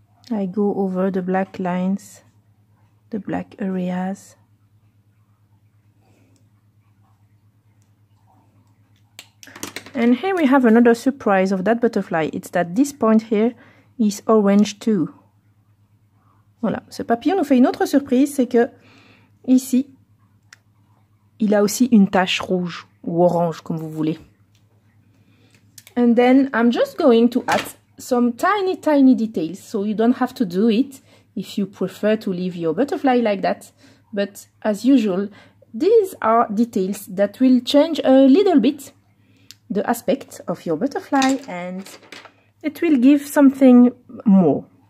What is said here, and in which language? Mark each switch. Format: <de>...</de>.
<en>I go over the black lines, the black areas. And here we have another surprise of that butterfly. It's that this point here is orange too.</en> <fr>Voilà, ce papillon nous fait une autre surprise, c'est que ici, il a aussi une tache rouge ou orange, comme vous voulez.</fr> <en>And then I'm just going to add some tiny, tiny details, so you don't have to do it if you prefer to leave your butterfly like that. But as usual, these are details that will change a little bit the aspect of your butterfly, and it will give something more.</en>